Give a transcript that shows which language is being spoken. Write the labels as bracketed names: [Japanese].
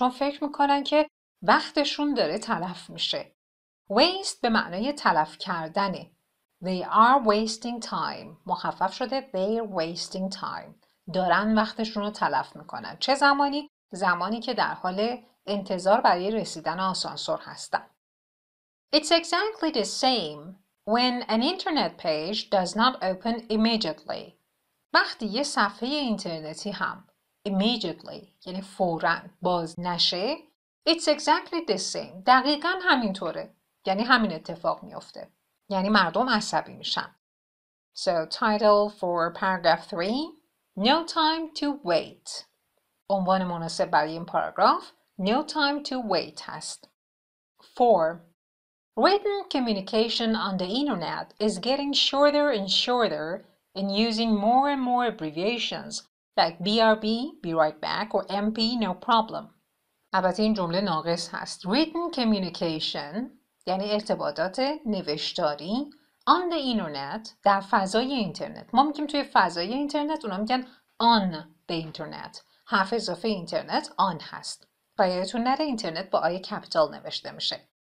[Persian] چون فکر میکنن که وقتشون داره تلف میشه. Waste به معنای تلف کردنه. [English] They are wasting time. [Persian] مخفف شده [English] they're wasting time. [Persian] دارن وقتشون رو تلف میکنن. چه زمانی؟ زمانی که در حال انتظار برای رسیدن آسانسور هستن. [English] It's exactly the same when an internet page does not open immediately. [Persian] وقتی یه صفحه اینترنتی هم immediately یعنی فوراً باز نشه. [English] It's exactly the same. [Persian] دقیقاً همینطوره. یعنی همین اتفاق میفته. یعنی مردم عصبی میشن. [English] So title for paragraph 3. No time to wait. [Persian] عنوان مناسب برای این پاراگراف [English] No time to wait [Persian] هست. 4. [English] Written communication on the internet is getting shorter and shorter and using more and more abbreviations like BRB, be right back, or MP, no problem. [Persian] البته این جمله ناقص هست. [English] Written communication [Persian] یعنی ارتباطات نوشتاری [English] on the internet [Persian] در فضای اینترنت. ما میگیم توی فضای اینترنت، اونا میگن on the internet. حرف اضافه اینترنت on هست. و یادتون نره اینترنت با آی کپیتال نوشته میشه.